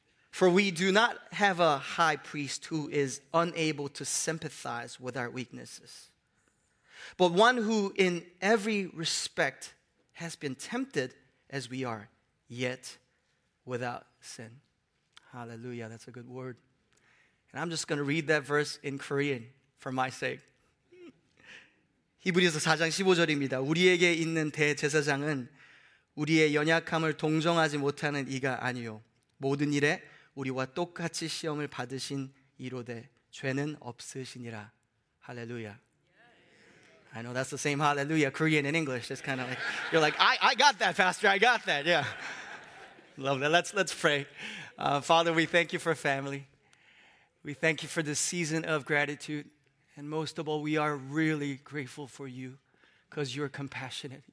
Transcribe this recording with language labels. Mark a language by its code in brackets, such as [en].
[en] For we do not have a high priest who is unable to sympathize with our weaknesses, but one who in every respect has been tempted as we are, yet without sin. Hallelujah, that's a good word. And I'm just going to read that verse in Korean for my sake. [ko] 히브리서 4장 15절입니다. 우리에게 있는 대제사장은 우리의 연약함을 동정하지 못하는 이가 아니요 모든 일에 우리와 똑같이 시험을 받으신 이로되 죄는 없으시니라. [en] Hallelujah. I know that's the same hallelujah, Korean and English. It's kind of like, you're like, I got that, Pastor. I got that. Yeah. Love that. Let's pray. Father, we thank you for family. We thank you for this season of gratitude. And most of all, we are really grateful for you because you're compassionate.